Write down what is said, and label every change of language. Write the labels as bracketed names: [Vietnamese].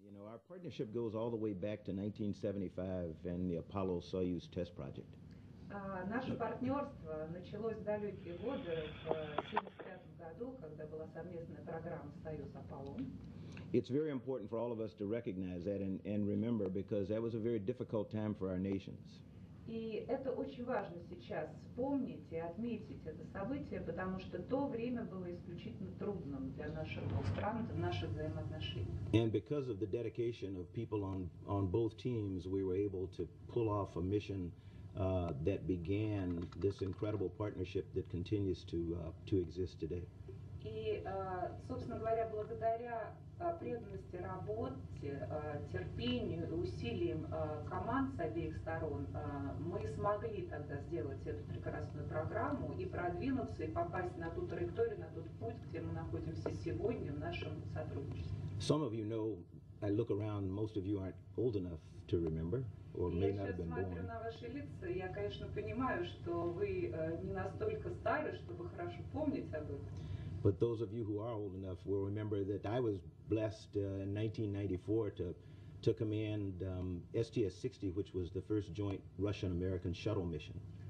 [English] Our partnership goes all the way back to 1975 and the Apollo Soyuz test project. [Russian] Наше партнерство началось в далекие годы, в 1975 году, когда была совместная программа Союз Аполлон. [English] It's very important for all of us to recognize that and remember, because that was a very difficult time for our nations. [Russian] И это очень важно сейчас вспомнить и отметить это событие, потому что то время было исключительно трудным для наших стран, для наших взаимоотношений. [English] And because of the dedication of people on both teams, we were able to pull off a mission that began this incredible partnership that continues to exist today. [Russian] И, собственно говоря, благодаря преданности работе, терпению и усилиям команд с обеих сторон, мы смогли тогда сделать эту прекрасную программу и продвинуться, и попасть на ту траекторию, на тот путь, где мы находимся сегодня в нашем сотрудничестве. [English] Some of you know, I look around, most of you aren't old enough to remember. Or may not have been born. [Russian] Я сейчас смотрю на ваши лица, я, конечно, понимаю, что вы не настолько стары, чтобы хорошо помнить об этом. [English] But those of you who are old enough will remember that I was blessed in 1994 to command STS-60, which was the first joint Russian-American shuttle mission.